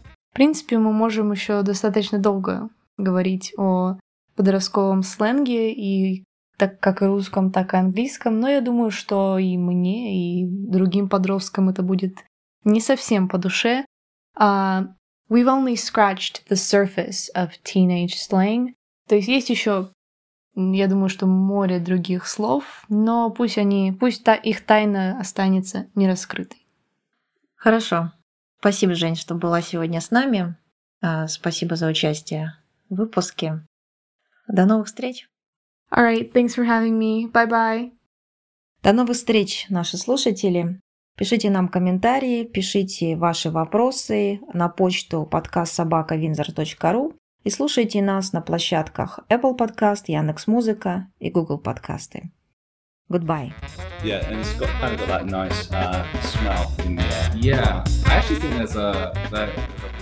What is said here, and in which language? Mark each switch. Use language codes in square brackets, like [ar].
[ru] В принципе, мы можем еще достаточно долго говорить о подростковом сленге, и так как и русском, так и английском, но я думаю, что и мне, и другим подросткам это будет не совсем по душе. [en] We've only scratched the surface of teenage slang. [ru] То есть есть еще, я думаю, что море других слов, но пусть их тайна останется нераскрытой. Хорошо. Спасибо, Жень, что была сегодня с нами. Спасибо за участие в выпуске. До новых встреч. [en] All right, thanks for having me. Bye-bye. [ru] До новых встреч, наши слушатели. Пишите нам комментарии, пишите ваши вопросы на почту podcast@windsor.ru и слушайте нас на площадках Apple Podcast, Яндекс.Музыка и Google Подкасты. [en] Goodbye. Yeah, and it's got kind of got that nice smell in the air. Yeah, I actually think there's a like.